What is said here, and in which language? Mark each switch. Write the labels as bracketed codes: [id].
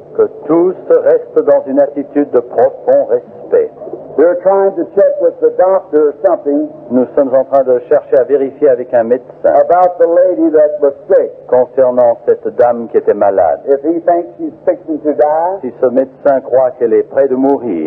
[fr] Que tous restent dans une attitude de profond respect. [en] They're trying to check with the doctor or something. [fr] Nous sommes en train de chercher à vérifier avec un médecin. [en] About the lady that was sick. [fr] Concernant cette dame qui était malade. [en] If he thinks she's fixing to die. [fr] Si ce médecin croit qu'elle est près de mourir.